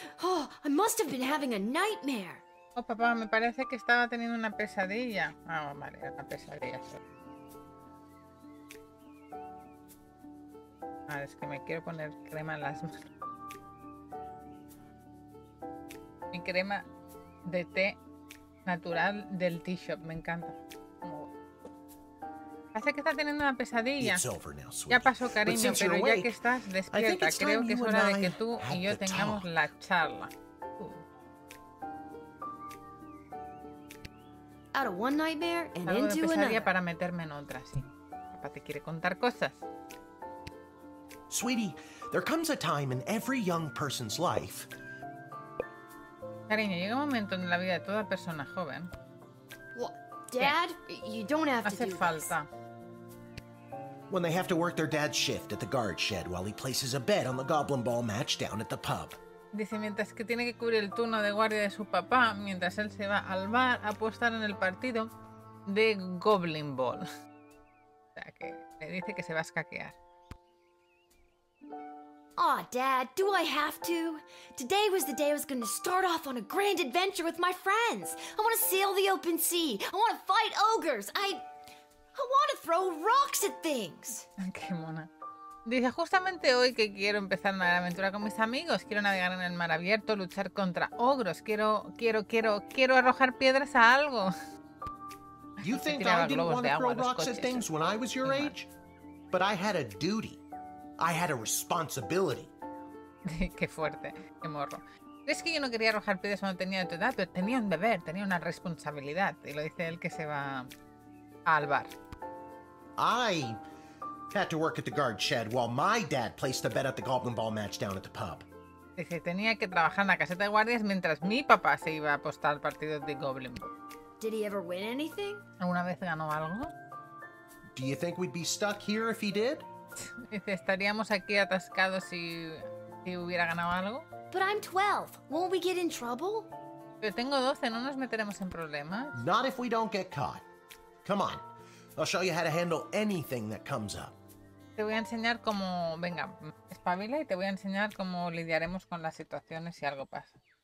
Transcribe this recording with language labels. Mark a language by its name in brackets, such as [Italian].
[English] Oh, I must have been having a nightmare. [Spanish] Oh, papá, me parece que estaba teniendo una pesadilla. Ah, oh, vale, una pesadilla. Ah, es que me quiero poner crema en las manos. Mi crema de té natural del tea shop, me encanta. Parece que está teniendo una pesadilla. Ya pasó, cariño, pero ya que estás despierta, creo que es hora de que tú y yo tengamos la charla. [English] Out of one nightmare and into another. [Spanish] Algo de pesadilla para meterme en otra, sí. Papá te quiere contar cosas. [English] Sweetie, there comes a time in every young person's life. [Spanish] Cariño, llega un momento en la vida de toda persona joven. [English] What, Dad? You don't have to do this. [Spanish] Hace falta. [English] When they have to work their dad's shift at the guard shed while he places a bet on the goblin ball match down at the pub. [Spanish] Dice mientras que tiene que cubrir el turno de guardia de su papá mientras él se va al bar a apostar en el partido de goblin ball. O sea que le dice que se va a escaquear. [English] Aw, Dad, do I have to? Today was the day I was going to start off on a grand adventure with my friends. I want to sail the open sea. I want to fight ogres. I want to throw rocks at things. [Spanish] Qué mona. Dice, justamente hoy que quiero empezar una aventura con mis amigos. Quiero navegar en el mar abierto, luchar contra ogros. Quiero arrojar piedras a algo. [English] You think I didn't want to throw rocks at things when I was your age? But I had a duty. I had a responsibility. [Spanish] Qué fuerte, qué morro. Es que yo no quería arrojar piedras cuando tenía tu edad, pero tenía un deber, tenía una responsabilidad. Y lo dice él que se va al bar. [English] I had to work at the guard shed while my dad placed a bet at the goblin ball match down at the pub. [Spanish] Dice, tenía que trabajar en la caseta de guardias mientras mi papá se iba a apostar al partido de goblin ball. [English] Did he ever win anything? [Spanish] ¿Alguna vez ganó algo? [English] Do you think we'd be stuck here if he did? [Spanish] Dice, estaríamos aquí atascados si hubiera ganado algo. [English] But I'm 12. Won't we get in trouble? [Spanish] Pero tengo 12, no nos meteremos en problemas. [English] Not if we don't get caught. Come on. I'll show you how to handle anything that comes up. [Spanish] Te voy a enseñar cómo, venga, espabila y te voy a enseñar cómo lidiaremos con las situaciones si algo pasa.